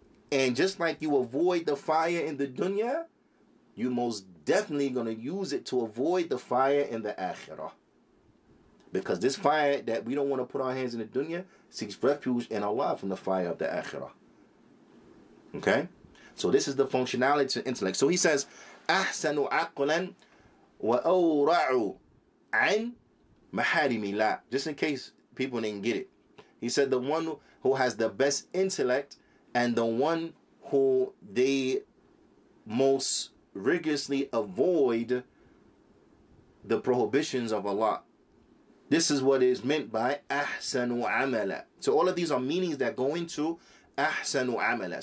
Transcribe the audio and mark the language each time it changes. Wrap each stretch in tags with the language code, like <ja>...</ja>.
<en>And just like you avoid the fire in the dunya, you most definitely going to use it to avoid the fire in the akhirah. Because this fire that we don't want to put our hands in the dunya seeks refuge in Allah from the fire of the akhirah. Okay? So this is the functionality of intellect. So he says,</en> <ar>أَحْسَنُ عَقْلًا وَأَوْرَعُ عَنْ مَحَارِمِ اللَّهِ.</ar> <en>Just in case people didn't get it. He said, the one who has the best intellect and the one who they most rigorously avoid the prohibitions of Allah. This is what is meant by ahsanu amala. So all of these are meanings that go into ahsanu amala.</en>